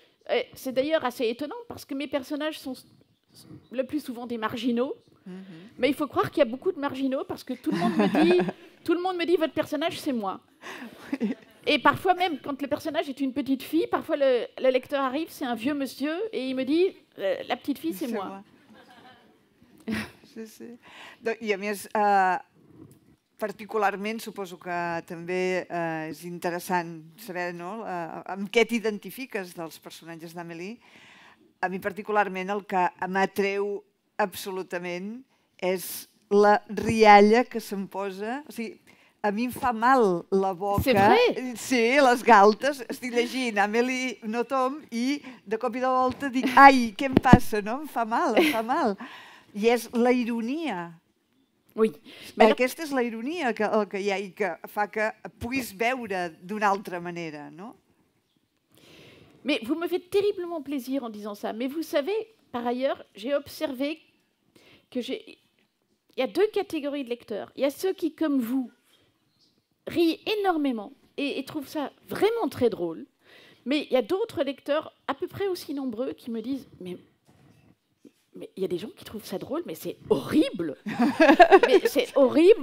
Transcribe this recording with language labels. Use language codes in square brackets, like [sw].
[fr] Et c'est d'ailleurs assez étonnant parce que mes personnages sont le plus souvent des marginaux. Mais il faut croire qu'il y a beaucoup de marginaux parce que tout le monde me dit votre personnage c'est moi. Et parfois même quand le personnage est une petite fille, parfois le lecteur arrive, c'est un vieux monsieur et il me dit la petite fille c'est moi. [ca] Sí. [fr] Donc [ca] i a més particularment suposo que també és interessant saber, no, amb què t'identifiques dels personatges d'Amélie. A mi particularment el que m'atreu absolutament és la rialla que se'm posa, a mi em fa mal la boca, sí, les galtes, estic llegint Amélie Nothomb i de cop i de volta dic, ai, què em passa, no? Em fa mal. I és la ironia. Ui. Aquesta és la ironia que hi ha i que fa que puguis veure d'una altra manera, no? [fr] Mais vous me faites terriblement plaisir en disant ça. Mais vous savez, par ailleurs, j'ai observé que j'ai... Il y a deux catégories de lecteurs. Il y a ceux qui, comme vous, rient énormément et trouvent ça vraiment très drôle. Mais il y a d'autres lecteurs, à peu près aussi nombreux, qui me disent « Mais il y a des gens qui trouvent ça drôle, mais c'est horrible. Mais c'est horrible.